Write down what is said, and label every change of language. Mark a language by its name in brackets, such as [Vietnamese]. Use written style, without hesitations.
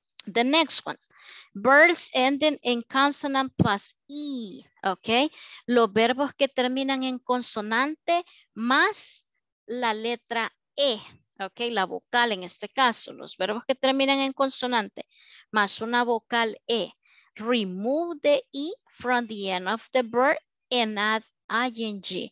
[English] The next one, verbs ending in consonant plus E. ¿Ok? [Spanish] Los verbos que terminan en consonante más la letra E. ¿Ok? La vocal en este caso. Los verbos que terminan en consonante más una vocal E. [English] Remove the E from the end of the verb and add ing.